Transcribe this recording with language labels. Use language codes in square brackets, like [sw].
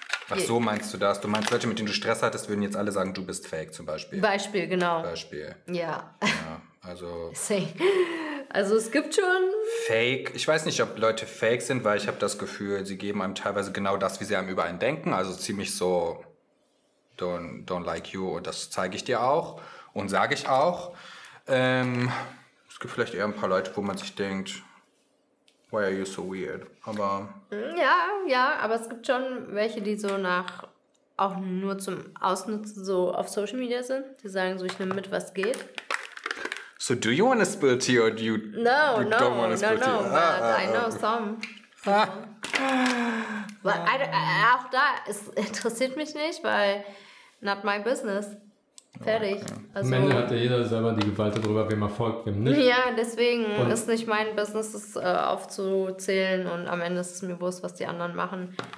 [de] Ach so, meinst du das? Du meinst, Leute, mit denen du Stress hattest, würden jetzt alle sagen, du bist fake zum Beispiel. Beispiel, genau. Beispiel. Ja. Also. Also es gibt schon... Fake. Ich weiß nicht, ob Leute fake sind, weil ich habe das Gefühl, sie geben einem teilweise genau das, wie sie einem über einen denken. Also ziemlich so, [en] don't like you. [de] Und das zeige ich dir auch und sage ich auch. Es gibt vielleicht eher ein paar Leute, wo man sich denkt, [en] why are you so weird? [de] Aber... Ja, aber es gibt schon welche, die so nach... auch nur zum Ausnutzen so auf Social Media sind. Die sagen so, ich nehme mit, was geht. [en] So, do you want to spill tea or do you, no, you no, don't want to spill no, tea? No, but I know some. [de] But auch da, es interessiert mich nicht, weil [en] not my business. [de] Fertig. Okay. Also, am Ende hat ja jeder selber die Gewalt darüber, wem er folgt, wem nicht. Ja, deswegen und ist nicht mein Business, es aufzuzählen und am Ende ist es mir bewusst, was die anderen machen.